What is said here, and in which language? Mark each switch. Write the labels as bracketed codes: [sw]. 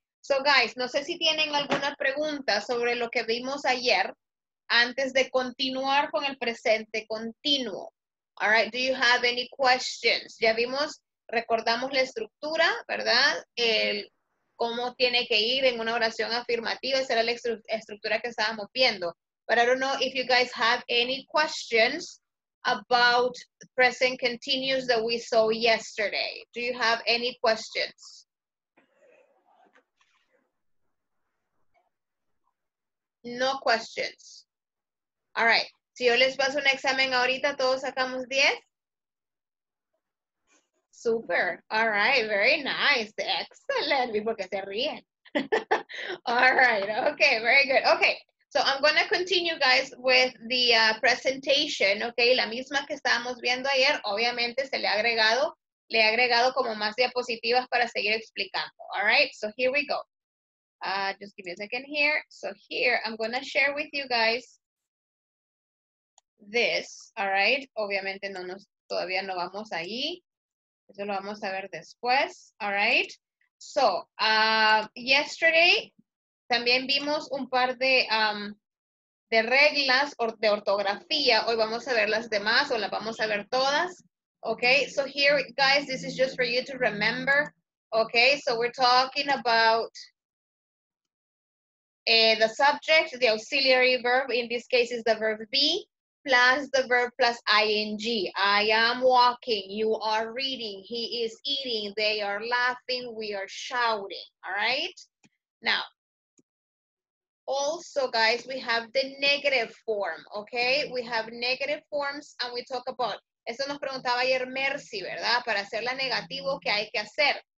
[en] So, guys, [es] no sé si tienen alguna pregunta sobre lo que vimos ayer antes de continuar con el presente continuo. [en] All right. Do you have any questions? [es] Ya vimos, recordamos la estructura, ¿verdad? El cómo tiene que ir en una oración afirmativa. Esa era la estructura que estábamos viendo. [en] But I don't know if you guys have any questions about present continuous that we saw yesterday. Do you have any questions? No questions. All right. [es] Si yo les paso un examen ahorita, ¿todos sacamos 10? [en] Super. All right. Very nice. Excellent. [es] ¿Y por qué se ríen? [en] All right. Okay. Very good. Okay. So I'm going to continue, guys, with the presentation, okay? [es] La misma que estábamos viendo ayer, obviamente se le he agregado como más diapositivas para seguir explicando, [en] all right? So here we go. Just give me a second here. So here, I'm going to share with you guys this, all right? [es] Obviamente no nos, todavía no vamos ahí. Eso lo vamos a ver después, [en] all right? So, yesterday, [es] también vimos un par de reglas de ortografía. Hoy vamos a ver las demás o las vamos a ver todas. [en] Okay, so here, guys, this is just for you to remember. Okay, so we're talking about the subject, the auxiliary verb. In this case, is the verb be plus the verb plus ing. I am walking, you are reading, he is eating, they are laughing, we are shouting. All right, now. Also, guys, we have the negative form, okay? We have negative forms and we talk about, [es] eso nos preguntaba ayer Mercy, ¿verdad? Para hacer la negativo, ¿qué hay que hacer?